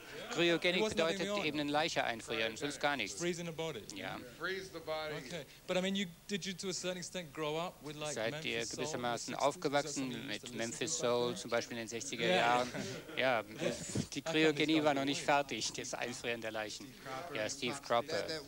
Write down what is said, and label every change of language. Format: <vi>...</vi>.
<de>Kryogenik bedeutet eben eine Leiche einfrieren, sonst gar nichts.</de> <en>Freezing the body.</en> <de>Ja.</de> <en>Freeze the body. Okay. But I mean, did you to a certain extent grow up with like</en> <de>Memphis Soul? Seid ihr gewissermaßen aufgewachsen mit Memphis Soul, zum Beispiel in den 60er Jahren? Ja, die Kryogenie war noch nicht fertig, das Einfrieren der Leichen. Ja, Steve Cropper.</de>